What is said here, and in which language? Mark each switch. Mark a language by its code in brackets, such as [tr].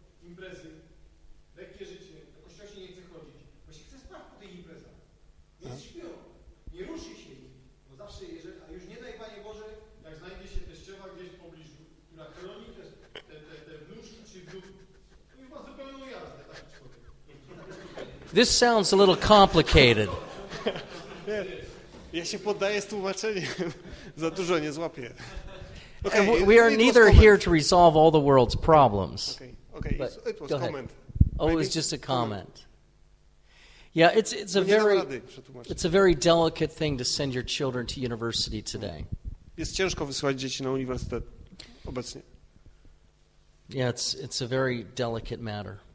[pl] Imprezy, lekkie życie. Do kościoła się nie chce chodzić, bo się chce spać po tych imprezach. Więc śpią. Nie ruszy się im. Zawsze, jeżeli, a już nie daj Panie Boże, jak znajdzie się teściowa gdzieś w pobliżu, która chroni te wnuczki czy wnuczki, to ma zupełną jazdę. Tak, [en] this sounds a little complicated. [pl] Ja się poddaję z tłumaczeniem. Za dużo nie złapię. [en] Okay, we are neither here to resolve all the world's problems. Okay, it was a comment. Oh, it was just a comment. Yeah, it's a very delicate thing to send your children to university today. [pl] Jest ciężko wysłać dzieci na uniwersytet obecnie. [en] Yeah, it's a very delicate matter.